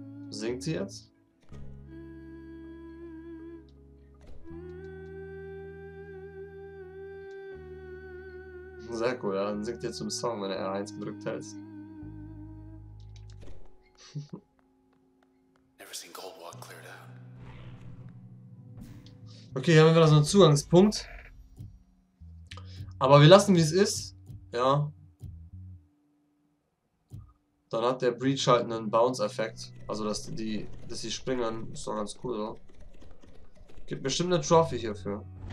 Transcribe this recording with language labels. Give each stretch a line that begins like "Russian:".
German: Singt sie jetzt? Sehr cool, ja. Dann singt ihr zum Song, wenn er R1 gedrückt hält.
English: Never seen gold walk cleared out.
German: Okay, hier haben wir wieder so einen Zugangspunkt. Aber wir lassen, wie es ist. Ja. Dann hat der Breach halt einen Bounce-Effekt. Also, dass die springen, ist doch ganz cool, oder? Gibt bestimmt eine Trophy hierfür.